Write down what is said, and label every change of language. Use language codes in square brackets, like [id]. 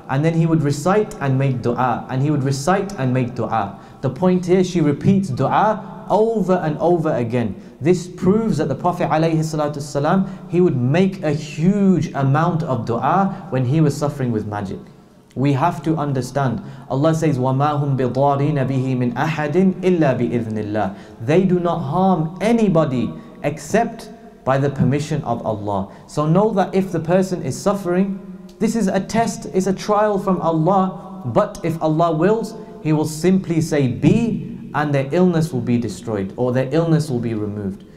[en] And then he would recite and make dua. And he would recite and make dua. The point here, she repeats dua over and over again. This proves that the Prophet alayhi salatu salam, he would make a huge amount of dua when he was suffering with magic. We have to understand, Allah says, [ar] وَمَا هُمْ بِضَارِينَ بِهِ مِنْ أَحَدٍ إِلَّا بِإِذْنِ اللَّهِ. [en] They do not harm anybody except by the permission of Allah. So know that if the person is suffering, this is a test, it's a trial from Allah. But if Allah wills, He will simply say be, and their illness will be destroyed, or their illness will be removed.